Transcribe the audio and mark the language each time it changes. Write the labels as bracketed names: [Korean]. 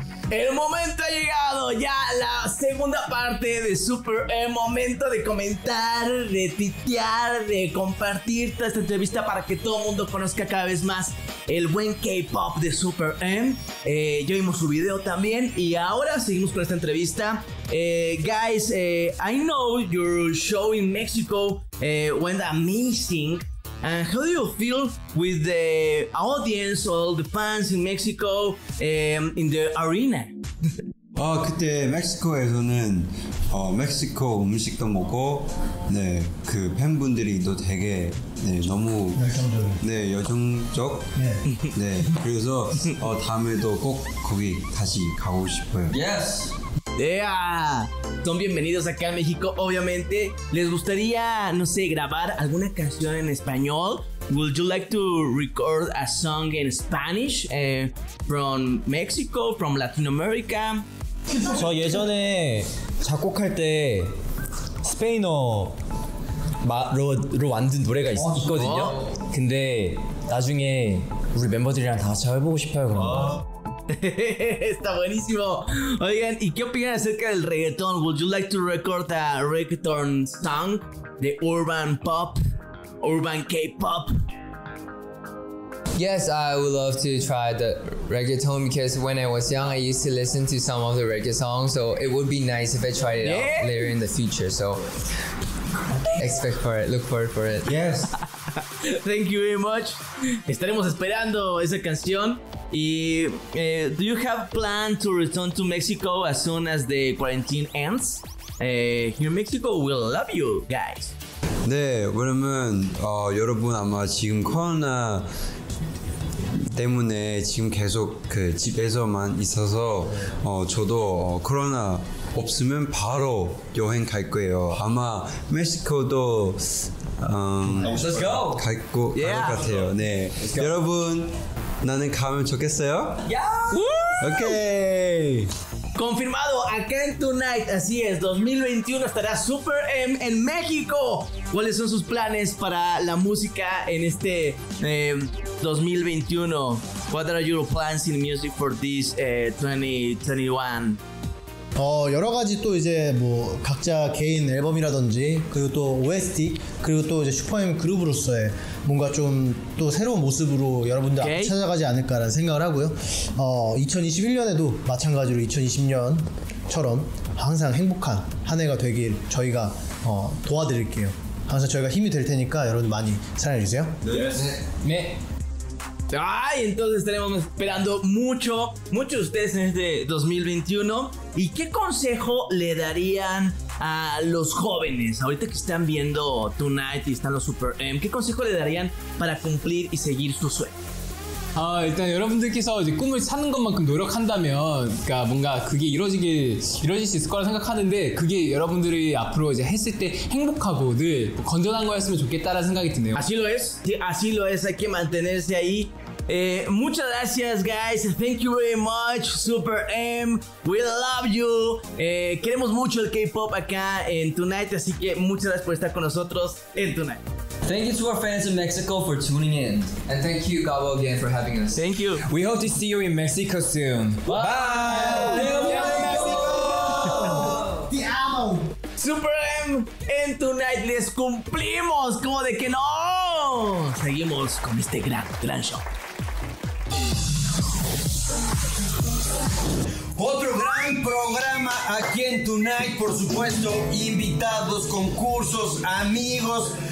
[Spanish] El momento ha llegado, ya la segunda parte de Super. El momento de comentar, de titear, de compartir toda esta entrevista para que todo el mundo conozca cada vez más el buen K-pop de Super M. Ya vimos su video también y ahora seguimos con esta entrevista. [English] Guys, I know your show in Mexico went amazing. And how do you feel with the audience, all the fans in Mexico, in the arena? [Korean] 그때 멕시코에서는 멕시코 음식도 먹고, 네, 그 팬분들이도 되게 네, 너무 열정적. 네. 네. 그래서 다음에도 꼭 거기 다시 가고 싶어요. [English] Yes. [Spanish] Yeah. Son bienvenidos acá a México, obviamente. ¿Les gustaría, no sé, grabar alguna canción en español? [English] Would you like to record a song in Spanish from Mexico, from Latin America? [Korean] 저 예전에 작곡할 때 스페인어 로 만든 노래가 있거든요. 근데 나중에 우리 멤버들이랑 다 같이 해보고 싶어요, 그러면. [Spanish] Está buenísimo. Oigan, ¿y qué opinan acerca del reggaetón? [English] Would you like to record a reggaetón song de urban pop, urban K-pop? Yes, I would love to try the reggaeton because when I was young, I used to listen to some of the reggae songs. So it would be nice if I tried it out later in the future. So expect for it. Look forward for it. Yes. Thank you very much. [Spanish] Estaremos esperando esa canción. [English] Y, do you have plan to return to Mexico as soon as the quarantine ends? Here Mexico will love you guys. [Korean] 네, 왜냐면 여러분 아마 지금 코로나 때문에 지금 계속 그 집에서만 있어서 저도 코로나 없으면 바로 여행 갈 거예요. 아마 멕시코도 [English] let's go. [Korean] 갈 것 같아요. 네. 여러분 나는 가면 좋겠어요? [English] Yeah! Ok. [Spanish] Confirmado, acá en Tonight, así es, 2021 estará Super M en México. ¿Cuáles son sus planes para la música en este 2021? [English] What are your plans in music for this 2021? [Korean] 여러 가지 또 이제 뭐 각자 개인 앨범이라든지 그리고 또 OST 그리고 또 이제 슈퍼엠 그룹으로서의 뭔가 좀 또 새로운 모습으로 여러분들 okay. 찾아가지 않을까라는 생각을 하고요. 2021년에도 마찬가지로 2020년처럼 항상 행복한 한 해가 되길 저희가 도와드릴게요. 항상 저희가 힘이 될 테니까 여러분 많이 사랑해 주세요. 네. 네. [Spanish] Ay, entonces estaremos esperando mucho, mucho de ustedes en este 2021. ¿Y qué consejo le darían a los jóvenes, ahorita que están viendo Tonight y están los Super M, qué consejo le darían para cumplir y seguir su sueño? [Korean] 일단 여러분들께서 이제 꿈을 찾는 것만큼 노력한다면, 그러니까 뭔가 그게 이루어질 수 있을 거라 생각하는데, 그게 여러분들이 앞으로 이제 했을 때 행복하고 늘 건전한 거였으면 좋겠다라는 생각이 드네요. [Spanish] Así lo es. Sí, así lo es. Hay que mantenerse ahí. Muchas gracias, guys. [English] Thank you very much, Super M. We love you. [Spanish] Queremos mucho el K-pop acá en Tonight, así que muchas gracias por estar con nosotros en Tonight. [English] Thank you to our fans in Mexico for tuning in. And thank you, Gabo, again for having us. Thank you. We hope to see you in Mexico soon. Bye! [Spanish] Te amo, Mexico! Te amo! Super M, en Tonight les cumplimos, como de que no! Seguimos con este gran, gran show. Otro gran programa aquí en Tonight, por supuesto, invitados, concursos, amigos.